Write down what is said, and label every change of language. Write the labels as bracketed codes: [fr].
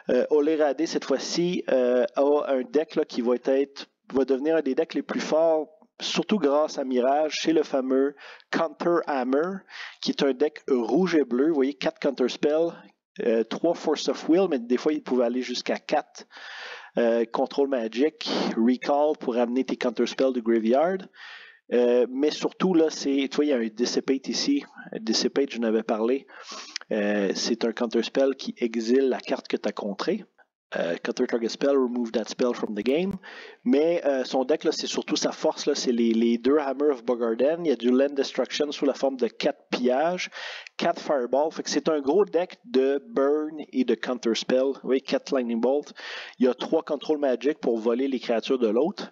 [fr] Olerade, cette fois-ci, a un deck là, qui va devenir un des decks les plus forts, surtout grâce à Mirage, chez le fameux Counter Hammer, qui est un deck rouge et bleu. Vous voyez, 4 Counter Spell, 3 Force of Will, mais des fois, il pouvait aller jusqu'à 4. Control Magic, Recall pour amener tes Counterspells du Graveyard. Mais surtout, là, c'est. Tu vois, il y a un Dissipate ici. Dissipate, j'en avais parlé. C'est un Counterspell qui exile la carte que tu as contrée. [en] Counter Target Spell, remove that spell from the game. [fr] Mais son deck, là, c'est surtout sa force, là, c'est les deux Hammer of Bogarden. Il y a du Land Destruction sous la forme de 4 pillages, 4 Fireball. Fait que c'est un gros deck de Burn et de Counter Spell. Vous voyez, 4 Lightning Bolt. Il y a 3 Control Magic pour voler les créatures de l'autre.